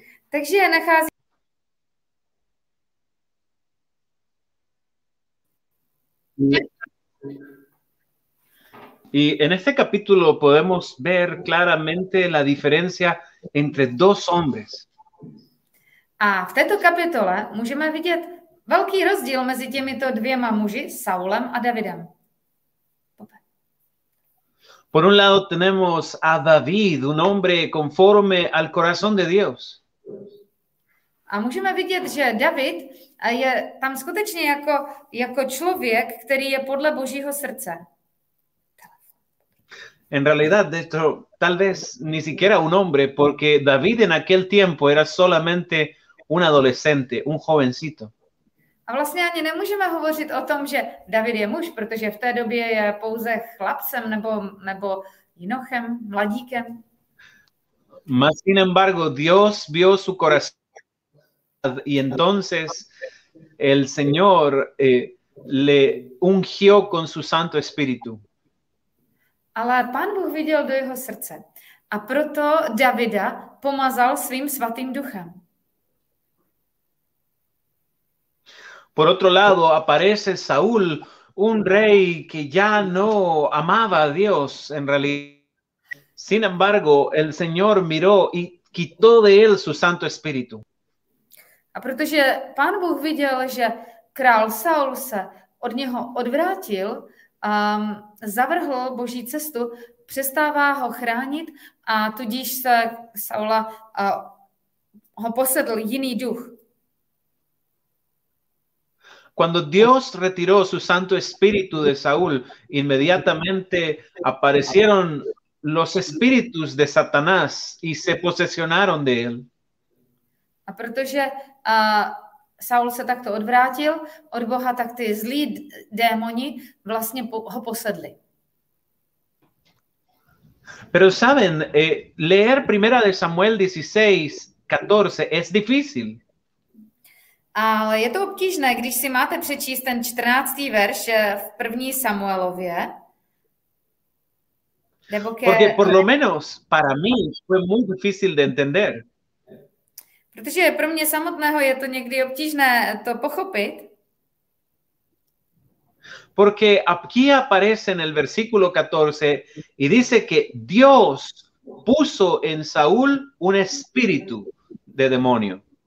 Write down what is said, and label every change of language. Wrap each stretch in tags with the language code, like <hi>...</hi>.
<cs>Takže nachází...</cs> <es>Y en este capítulo podemos ver claramente la diferencia entre dos hombres.</es> <cs>A v této kapitole můžeme vidět velký rozdíl mezi těmito dvěma muži, Saulem a Davidem.</cs> <es>Por un lado tenemos a David, un hombre conforme al corazón de Dios.</es> <cs>A můžeme vidět, že David je tam skutečně jako člověk, který je podle Božího srdce.</cs> <es>En realidad, esto tal vez ni siquiera un hombre, porque David en aquel tiempo era solamente un adolescente, un jovencito.</es> <cs>A vlastně ani nemůžeme hovořit o tom, že David je muž, protože v té době je pouze chlapcem nebo jinochem, mladíkem.</cs> <es>Mas sin embargo, Dios vio su corazón y entonces el Señor le ungió con su Santo Espíritu.</es> <cs>Ale Pán Bůh viděl do jeho srdce a proto Davida pomazal svým svatým duchem.</cs> <es>Por otro lado, aparece Saúl, un rey que ya no amaba a Dios en realidad. Sin embargo, el Señor miró y quitó de él su Santo Espíritu.</es> <cs>A protože Pán Bůh viděl, že král Saul se od něho odvrátil, zavrhl Boží cestu, přestává ho chránit a tudíž se Saula ho posedl jiný duch.</cs> <es>Cuando Dios retiró su Santo Espíritu de Saúl, inmediatamente aparecieron los espíritus de Satanás y se posesionaron de él.</es> <cs>A protože Saul se takto odvrátil od Boha, tak ty zlí démoni vlastně ho posedli.</cs> <es>Pero saben, leer Primera de Samuel 16, 14 es difícil.</es> <cs>Ale je to obtížné, když si máte přečíst ten 14. verš v 1. Samuelově.</cs> <es>Porque por lo menos para mí fue muy difícil de entender.</es> <cs>Protože pro mě samotného je to někdy obtížné to pochopit.</cs> <es>Porque aquí aparece en el versículo 14 y dice que Dios puso en Saúl un espíritu de demonio.</es>